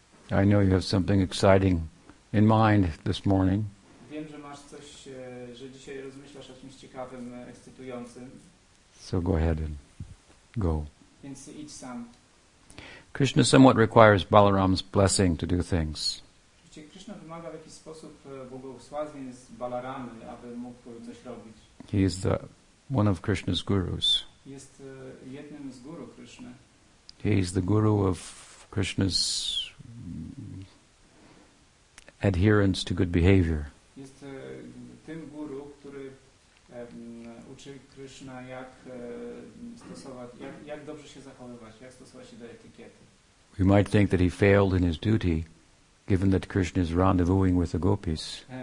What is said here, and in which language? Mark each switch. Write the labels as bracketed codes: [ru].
[en] I know you have something exciting in mind this morning. [pl] Wiem, że masz coś, że dzisiaj rozmyślasz o czymś ciekawym, ekscytującym. [en] So go ahead and go. [pl] Więc idź sam. [en] Krishna somewhat requires Balaram's blessing to do things. [pl] Krishna wymaga w jakiś sposób błogosławień z Balaramy, aby mógł coś robić. [en] He is the one of Krishna's gurus. [pl] Jest jednym z guru Krishna. [en] He is the guru of Krishna's adherence to good behavior. [pl] Jest tym guru, który uczy Krishna, jak stosować, jak dobrze się zachowywać, jak stosować się do etykiety. [en] We might think that he failed in his duty, given that Krishna is rendezvousing with the gopis.